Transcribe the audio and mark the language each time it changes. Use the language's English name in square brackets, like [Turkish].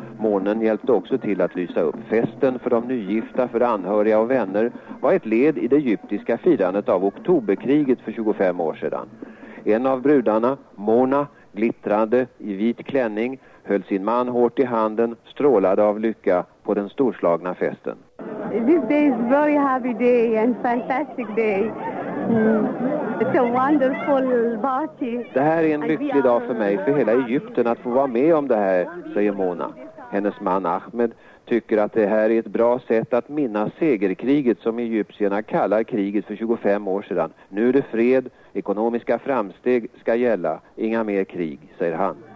[Swedish] Månen hjälpte också till att lysa upp festen för de nygifta, för anhöriga och vänner var ett led i det egyptiska firandet av oktoberkriget för 25 år sedan. En av brudarna, Mona, glittrande i vit klänning, höll sin man hårt i handen, strålade av lycka på den storslagna festen. [English] This day is very happy day and fantastic day. It's a wonderful party. [Swedish] Det här är en lycklig dag för mig, för hela Egypten, att få vara med om det här, säger Mona. Hennes man Ahmed tycker att det här är ett bra sätt att minnas segerkriget som egyptierna kallar kriget för 25 år sedan. Nu är det fred, ekonomiska framsteg ska gälla, inga mer krig, säger han.